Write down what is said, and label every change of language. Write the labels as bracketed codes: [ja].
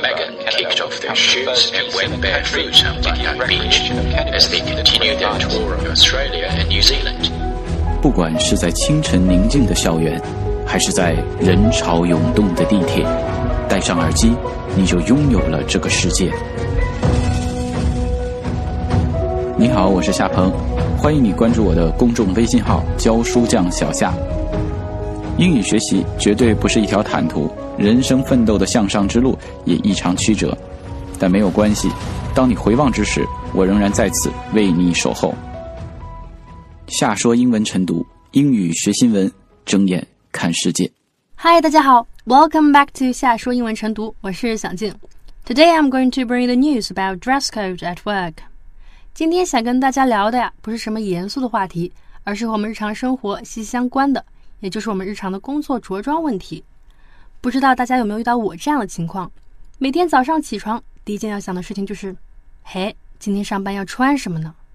[en] Megan kicked off their shoots and went barefoot on Bondi Beach as they continued their tour of Australia and New Zealand. [zh] 不管是在清晨宁静的校园，还是在人潮涌动的地铁，戴上耳机，你就拥有了这个世界。你好，我是夏鹏，欢迎你关注我的公众微信号教书匠小夏。英语学习绝对不是一条坦途，人生奋斗的向上之路也异常曲折，但没有关系，当你回望之时，我仍然在此为你守候。夏说英文晨读，英语学新闻，睁眼看世界。嗨，大家好， [en] Welcome back to [zh] 夏说英文晨读，我是想静。 [en] Today I'm going to bring the news about dress code at work。 [zh] 今天想跟大家聊的呀，不是什么严肃的话题，而是和我们日常生活息息相关的，也就是我们日常的工作着装问题。不知道大家有没有遇到我这样的情况，每天早上起床第一件要想的事情就是，嘿，今天上班要穿什么呢？